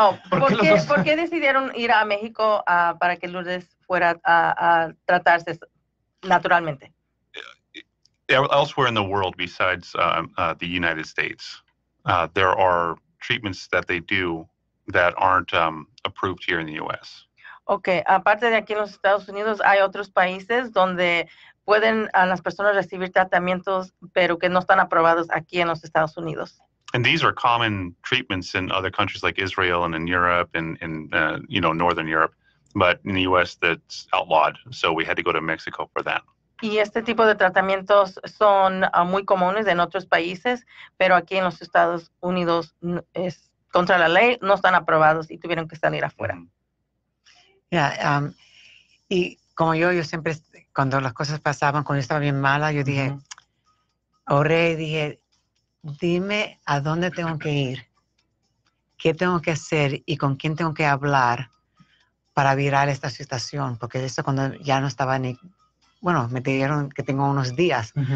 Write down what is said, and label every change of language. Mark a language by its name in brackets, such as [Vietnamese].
[Spanish] ¿Por qué decidieron ir a México para que Lourdes fuera a tratarse naturalmente? [English] Elsewhere in the world besides the United States, there are treatments that they do that aren't approved here in the U.S. [Spanish] Okay. Aparte de aquí en los Estados Unidos, hay otros países donde pueden las personas recibir tratamientos, pero que no están aprobados aquí en los Estados Unidos. [English] And these are common treatments in other countries like Israel and in Europe and in, you know, Northern Europe. But in the U.S., that's outlawed. So we had to go to Mexico for that. [Spanish] Y este tipo de tratamientos son muy comunes en otros países, pero aquí en los Estados Unidos es contra la ley, no están aprobados y tuvieron que salir afuera. Yeah, y como yo siempre, cuando las cosas pasaban, cuando yo estaba bien mala, yo dije, oré y dije, dime a dónde tengo que ir, qué tengo que hacer y con quién tengo que hablar para virar esta situación, porque eso cuando ya no estaba ni, bueno, me dijeron que tengo unos días.